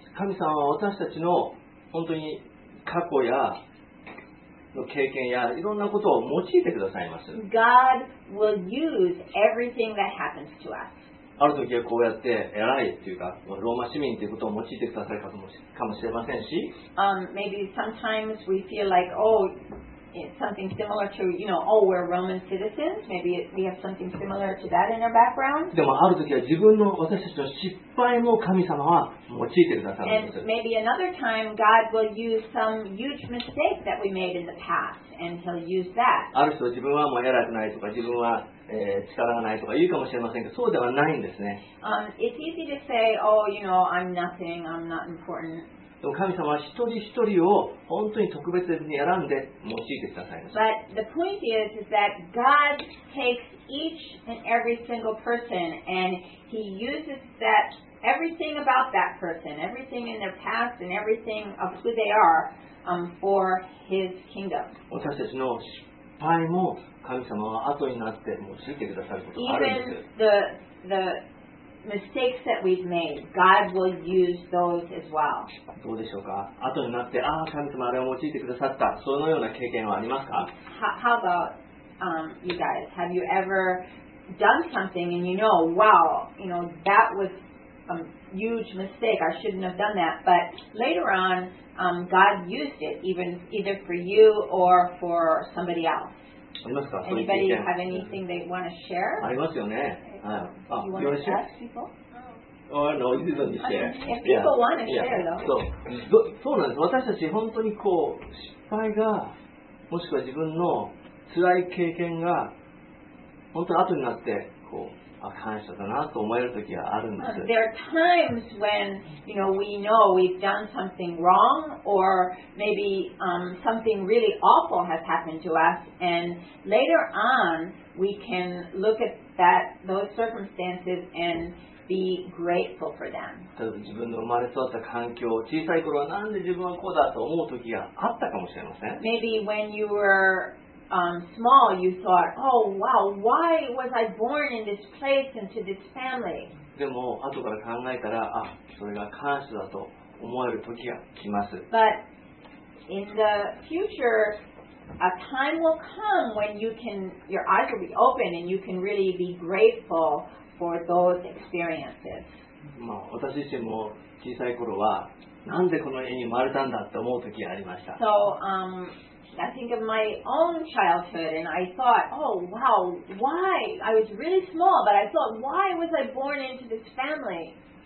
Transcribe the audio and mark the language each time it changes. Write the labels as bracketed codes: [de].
[ja] 神様は私たちの本当に過去やの経験やいろんなことを用いてくださいます。 [en] God will use everything that happens to us. [ja] ある時はこうやって偉いっていうかローマ市民ということを用いてくださるかもしれませんし、 [en] maybe sometimes we feel like, oh, it's something similar to, you know, oh, we're Roman citizens. Maybe we have something similar to that in our background. [ja] でもある時は自分の私たちの失敗も神様は用いてくださるんです。 [en] And maybe another time God will use some huge mistake that we made in the past and he'll use that. [ja] ある人は自分はもう偉くないとか自分は力がないとか言うかもしれませんけど、そうではないんですね。 [en] It's easy to say, oh, you know, I'm nothing, I'm not important. [ja] でも神様は一人一人を本当に特別に選んで用いてくださいました。 [en] But the point is that God takes each and every single person and he uses that everything about that person, everything in their past and everything of who they are, for his kingdom. [ja] 私たちの失敗も神様は後になって用いてくださることがあるんです。 [en] Even the mistakes that we've made, God will use those as well. [ja] どうでしょうか。後になって、ああ、神様あれを用いてくださった。そのような経験はありますか。 [en] How about you guys? Have you ever done something and you know, wow, you know, that was a huge mistake. I shouldn't have done that. But later on, God used it, either for you or for somebody else. [ja] ありますか。 [en] Anybody have anything they want to share? [ja] ありますよね。 [en] Do you want to share? Oh, no, you didn't share. If people want to share, though. [ja] そうなんです。私たち本当にこう失敗がもしくは自分の辛い経験が本当に後になってこうあ、感謝だなと思える時があるんです。 [en] There are times when, you know, we know we've done something wrong or maybe, something really awful has happened to us and later on we can look at that, those circumstances and be grateful for them. [ja] 自分の生まれ育った環境、小さい頃はなんで自分はこうだと思う時があったかもしれません。 [en] Maybe when you were small, you thought, oh wow, why was I born in this place and to this family? [ja] でも後から考えたら、あ、それが感謝だと思える時が来ます。 [en] But in the future, a time will come when you can, your eyes will be open and you can really be grateful for those experiences. [ja] まあ、私自身も小さい頃は、なんでこの家に生まれたんだって思う時がありました。 [en] So, I think of my own childhood and I thought, oh wow, why? I was really small, but I thought, why was I born into this family?